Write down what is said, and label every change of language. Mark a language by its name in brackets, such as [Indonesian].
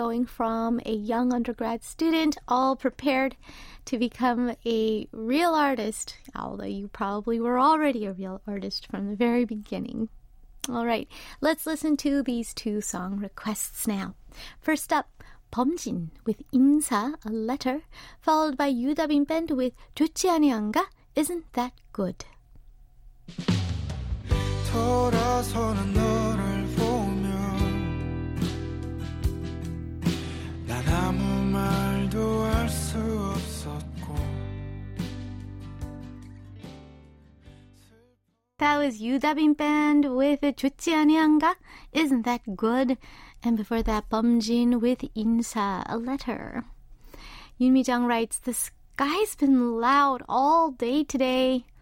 [English] Going from a young undergrad student, all prepared to become a real artist, although you probably were already a real artist from the very beginning. All right, let's listen to these two song requests now. First up, 범진 with 인사, a letter, followed by 유다빈 밴드 with 좋지 아니한가, isn't that good? [Korean] 돌아서는 너를 보면 난 아무 말도 할 수 없었고. [English] That was 유다빈 밴드 with 좋지 아니한가, isn't that good? And before that, 범진 with 인사, a letter. Yoon Mi-jung writes, the sky's been loud all day today.